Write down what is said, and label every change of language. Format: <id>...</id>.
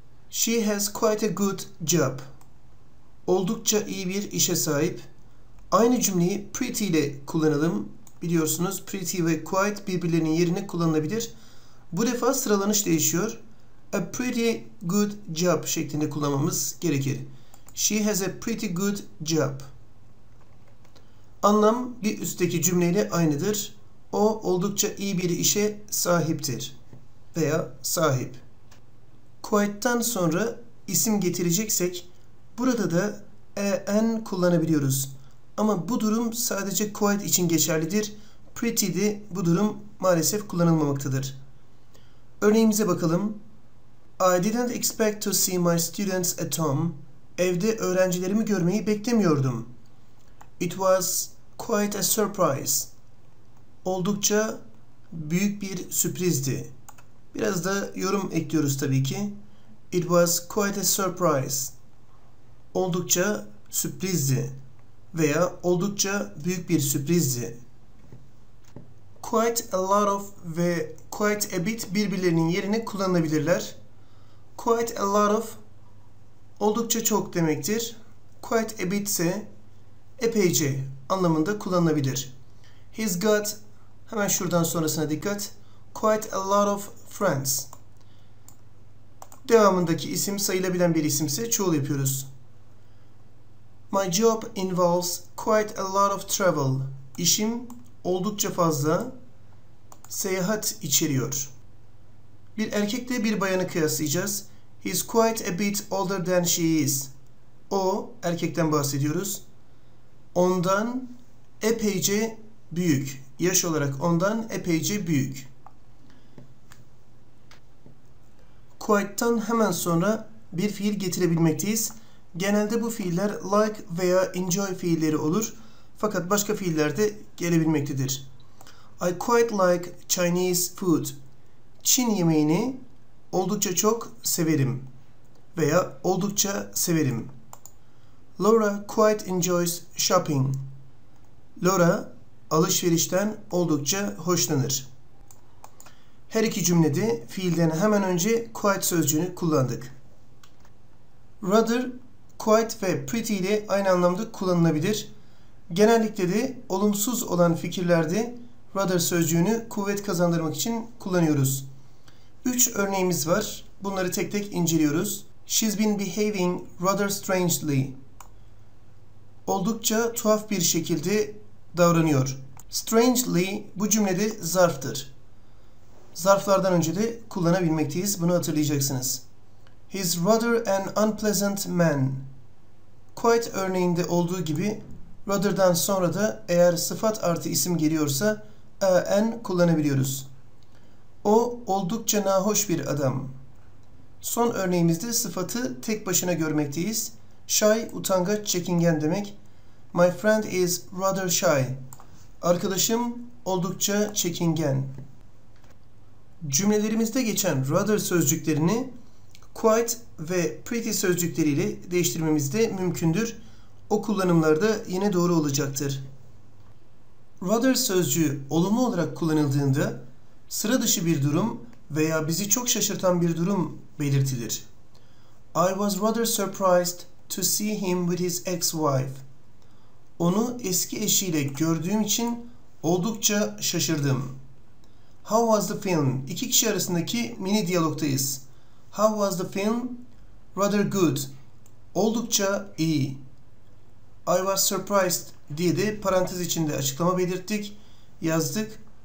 <en>She has quite a good job.</en> <tr>Oldukça iyi bir işe sahip. Aynı cümleyi pretty ile kullanalım. Biliyorsunuz pretty ve quite birbirlerinin yerine kullanılabilir. Bu defa sıralanış değişiyor.</tr> <en>A pretty good job</en> <tr>şeklinde kullanmamız gerekir.</tr> <en>She has a pretty good job.</en> <tr>Anlam bir üstteki cümleyle aynıdır. O oldukça iyi bir işe sahiptir veya sahip. Quite'dan sonra isim getireceksek burada da an kullanabiliyoruz. Ama bu durum sadece quite için geçerlidir. Pretty'de bu durum maalesef kullanılmamaktadır. Örneğimize bakalım.</tr> <en>I didn't expect to see my students at home.</en> <tr>Evde öğrencilerimi görmeyi beklemiyordum.</tr> <en>It was quite a surprise.</en> <tr>Oldukça büyük bir sürprizdi. Biraz da yorum ekliyoruz tabii ki.</tr> <en>It was quite a surprise.</en> <tr>Oldukça sürprizdi. Veya oldukça büyük bir sürprizdi. Quite a lot of ve quite a bit birbirlerinin yerine kullanılabilirler. Quite a lot of oldukça çok demektir. Quite a bit ise epeyce anlamında kullanılabilir.</tr> <en>He's got,</en> <tr>hemen şuradan sonrasına dikkat,</tr> <en>quite a lot of friends.</en> <tr>Devamındaki isim sayılabilen bir isimse çoğul yapıyoruz.</tr> <en>My job involves quite a lot of travel.</en> <tr>İşim oldukça fazla seyahat içeriyor. Bir erkekle bir bayanı kıyaslayacağız.</tr> <en>He's quite a bit older than she is.</en> <tr>O, erkekten bahsediyoruz. Ondan epeyce büyük. Yaş olarak ondan epeyce büyük. Quite'tan hemen sonra bir fiil getirebilmekteyiz. Genelde bu fiiller like veya enjoy fiilleri olur. Fakat başka fiiller de gelebilmektedir.</tr> <en>I quite like Chinese food.</en> <tr>Çin yemeğini oldukça çok severim. Veya oldukça severim.</tr> <en>Laura quite enjoys shopping.</en> <tr>Laura alışverişten oldukça hoşlanır. Her iki cümlede fiilden hemen önce quite sözcüğünü kullandık. Rather, quite ve pretty ile aynı anlamda kullanılabilir. Genellikle de olumsuz olan fikirlerde rather sözcüğünü kuvvet kazandırmak için kullanıyoruz. Üç örneğimiz var. Bunları tek tek inceliyoruz.</tr> <en>She's been behaving rather strangely.</en> <tr>Oldukça tuhaf bir şekilde davranıyor. Strangely bu cümlede zarftır. Zarflardan önce de kullanabilmekteyiz. Bunu hatırlayacaksınız.</tr> <en>He's rather an unpleasant man.</en> <tr>Quite örneğinde olduğu gibi rather'dan sonra da eğer sıfat artı isim geliyorsa an kullanabiliyoruz. O oldukça nahoş bir adam. Son örneğimizde sıfatı tek başına görmekteyiz.</tr> <en>Shy,</en> <tr>utangaç, çekingen demek.</tr> <en>My friend is rather shy.</en> <tr>Arkadaşım oldukça çekingen. Cümlelerimizde geçen rather sözcüklerini quite ve pretty sözcükleriyle değiştirmemiz de mümkündür. O kullanımlarda yine doğru olacaktır. Rather sözcüğü olumlu olarak kullanıldığında sıra dışı bir durum veya bizi çok şaşırtan bir durum belirtilir.</tr> <en>I was rather surprised to see him with his ex-wife.</en> <tr>Onu eski eşiyle gördüğüm için oldukça şaşırdım.</tr> <en>How was the film?</en> <tr>İki kişi arasındaki mini diyalogdayız.</tr> <en>How was the film? Rather good.</en> <tr>Oldukça iyi.</tr> <en>I was surprised</en> <tr>diye de parantez içinde açıklama belirttik, yazdık.</tr>